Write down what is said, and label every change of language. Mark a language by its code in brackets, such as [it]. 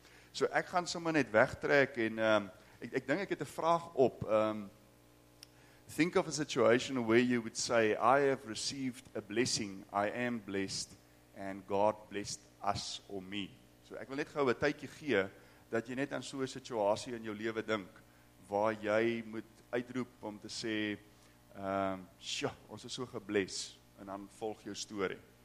[af] So ek gaan sommer net wegtrek en ek dink ek het 'n vraag op. [en] Think of a situation where you would say, I have received a blessing, I am blessed, and God blessed us or me. [af] So ek wil net gou 'n tydjie gee, dat jy net aan so 'n situasie in jou lewe dink, waar jy moet uitroep om te sê, sjo, ons is so gebless, en dan volg jou story.